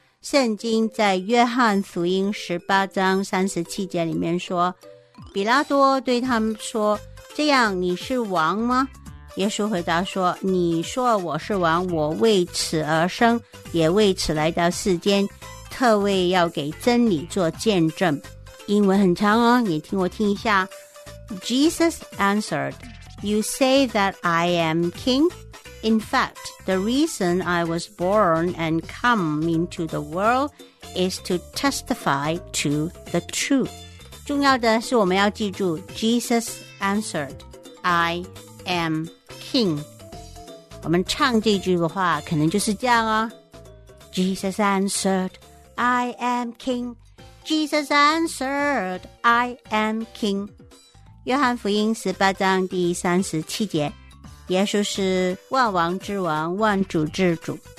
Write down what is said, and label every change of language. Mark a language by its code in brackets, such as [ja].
[zh] 圣经在约翰福音18章37节里面说，比拉多对他们说，这样你是王吗？耶稣回答说，你说我是王，我为此而生，也为此来到世间，特为要给真理做见证。英文很长哦，你听我听一下。 [en] Jesus answered, You say that I am king? In fact, the reason I was born and come into the world is to testify to the truth. [zh] 重要的是我们要记住， [en] Jesus answered, I am king. [zh] 我们唱这句的话可能就是这样哦。 [en] Jesus answered, I am king. Jesus answered, I am king. [zh] 约翰福音18章第37节，耶稣是万王之王，万主之主。